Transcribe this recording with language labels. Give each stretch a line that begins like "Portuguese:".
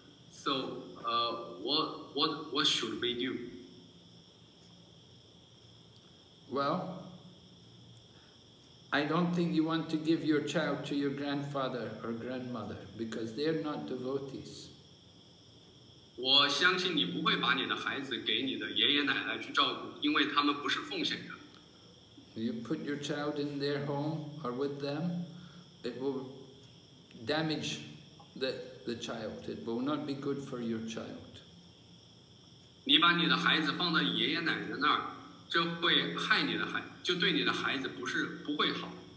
English: So what should we do? Well, I don't think you want to give your child to your grandfather or grandmother because they're not devotees.
Chinese: 我相信你不会把你的孩子给你的爷爷奶奶去照顾，因为他们不是奉献者。
English: You put your child in their home or with them, it will damage the child. It will not be good for your child.
Chinese: 你把你的孩子放到爷爷奶奶那儿，这会害你的孩，就对你的孩子不会好。